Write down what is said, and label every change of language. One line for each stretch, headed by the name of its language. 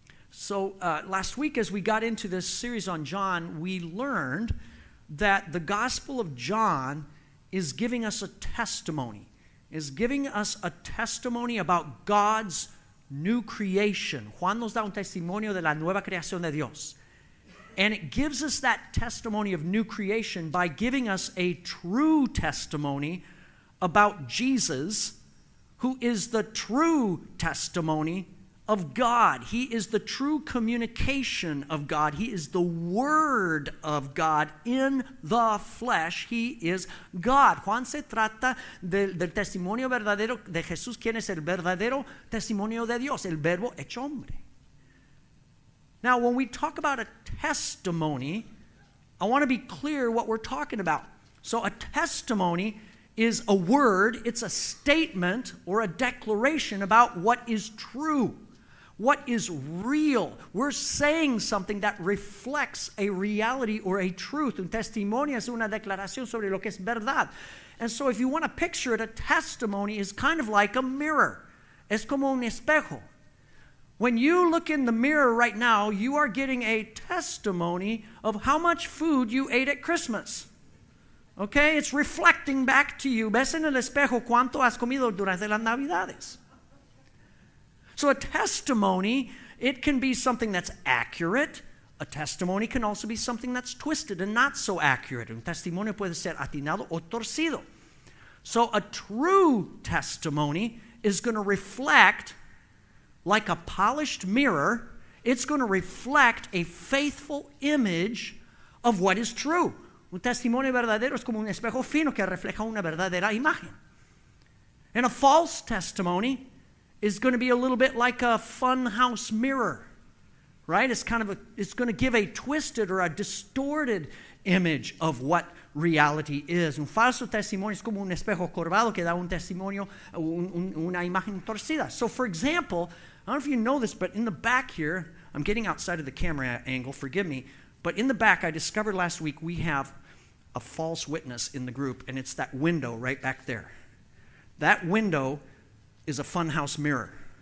English: So last week as we got into this series on John, we learned that the Gospel of John is giving us a testimony. Is giving us a testimony about God's new creation.
Spanish: Juan nos da un testimonio de la nueva creación de Dios.
English: And it gives us that testimony of new creation by giving us a true testimony about Jesus, who is the true testimony of God. He is the true communication of God. He is the Word of God in the flesh. He is God.
Spanish: Juan se trata del testimonio verdadero de Jesús, quien es el verdadero testimonio de Dios, el Verbo hecho hombre.
English: Now, when we talk about a testimony, I want to be clear what we're talking about. So a testimony is a word, it's a statement or a declaration about what is true. What is real? We're saying something that reflects a reality or a truth.
Spanish: Un testimonio es una declaración sobre lo que es verdad.
English: And so if you want to picture it, a testimony is kind of like a mirror.
Spanish: Es como un espejo.
English: When you look in the mirror right now, you are getting a testimony of how much food you ate at Christmas. Okay? It's reflecting back to you.
Spanish: Ves en el espejo cuánto has comido durante las Navidades.
English: So a testimony, it can be something that's accurate. A testimony can also be something that's twisted and not so accurate.
Spanish: Un testimonio puede ser atinado o torcido.
English: So a true testimony is going to reflect, like a polished mirror, it's going to reflect a faithful image of what is true.
Spanish: Un testimonio verdadero es como un espejo fino que refleja una verdadera imagen.
English: And a false testimony is going to be a little bit like a funhouse mirror, right? It's going to give a twisted or a distorted image of what reality is.
Spanish: Un falso testimonio es como un espejo corvado que da un testimonio, una imagen torcida.
English: So, for example, I don't know if you know this, but in the back here, I'm getting outside of the camera angle, forgive me, but in the back, I discovered last week we have a false witness in the group, and it's that window right back there. That window is a funhouse mirror.